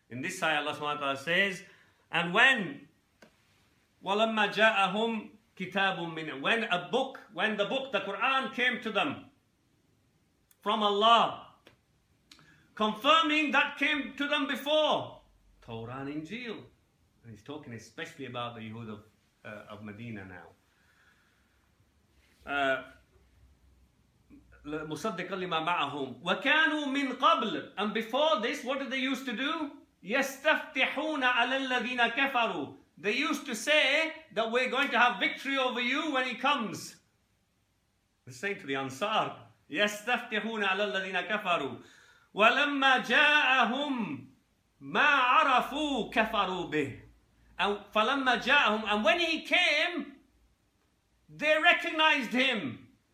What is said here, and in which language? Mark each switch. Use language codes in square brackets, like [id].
[en] In this ayah, Allah subhanahu wa ta'ala says, and when, [ar] وَلَمَّا جَاءَهُمْ كِتَابٌ مِّنْ, [en] when the book, the Quran came to them, from Allah, confirming that came to them before, Torah and Injil. And he's talking especially about the Yahud of Medina now. [ar] مصدقا لما معهم وكانوا من قبل. [en] And before this, what did they used to do? [ar] يستفتحون على الذين كفروا. [en] They used to say that we're going to have victory over you when he comes. They're saying to the Ansar, [ar] يستفتحون على الذين كفروا. ولما جاءهم ما عرفوا كفروا به. [en] And [ar] فلما جاءهم, [en] and when he came, they recognized him.